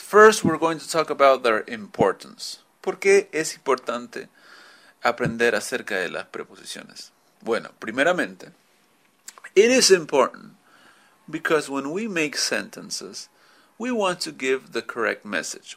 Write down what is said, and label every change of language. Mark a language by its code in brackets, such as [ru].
[en] First, we're going to talk about their importance. [es] ¿Por qué es importante aprender acerca de las preposiciones? Bueno, primeramente, [en] it is important because when we make sentences, we want to give the correct message.